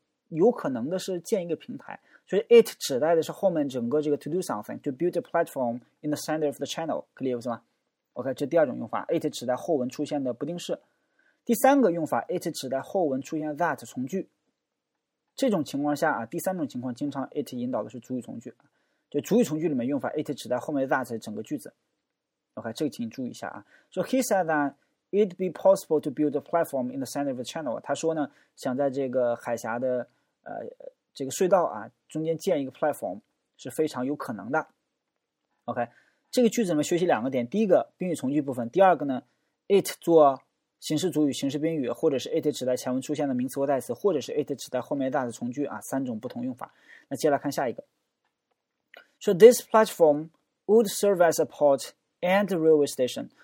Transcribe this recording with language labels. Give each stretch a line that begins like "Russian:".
Chinese: 有可能的是建一个平台，所以 it 指代的是后面整个这个
English: to do something to build a platform in the center of the channel，
Chinese: 可理解为什么 ？OK， 这第二种用法 ，it 指代后文出现的不定式。第三个用法 ，it 指代后文出现 that 从句。这种情况下啊，第三种情况经常 it 引导的是主语从句，就主语从句里面用法 ，it 指代后面 that 整个句子。 OK， 这个请你注意一下啊。
English: So he said that it'd be possible to build a platform in the center of the channel。
Chinese: 他说呢，想在这个海峡的这个隧道啊中间建一个 platform 是非常有可能的。 OK， 这个句子我们学习两个点：第一个宾语从句部分，第二个呢 ，it 做形式主语、形式宾语，或者是 it 指代前文出现的名词或代词，或者是 it 指代后面的 that 从句啊，三种不同用法。那接下来看下一个。
English: So this platform would serve as a port and railway station。